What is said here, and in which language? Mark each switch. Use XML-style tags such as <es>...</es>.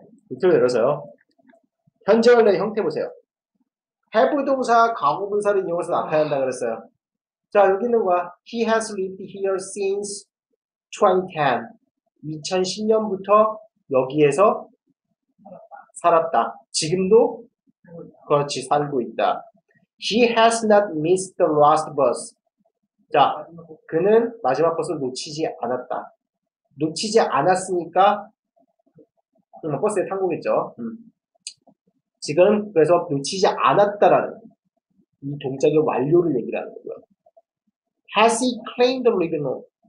<ko>밑으로 내려서요. 현재의 형태 보세요. 해부 동사, 과거 분사를 이용해서 나타낸다 그랬어요. 자, 여기 있는 거야.</ko> <en>He has lived here since 2010.</en> <ko>2010년부터 여기에서 살았다. 지금도? 그렇지, 살고 있다.</ko> <en>He has not missed the last bus.</en> <ko>자, 그는 마지막 버스를 놓치지 않았다. 놓치지 않았으니까, 버스에 탄 거겠죠. 지금, 그래서 놓치지 않았다라는 이 동작의 완료를 얘기하는 거고요.</ko> <en>Has he claimed the living room?</en>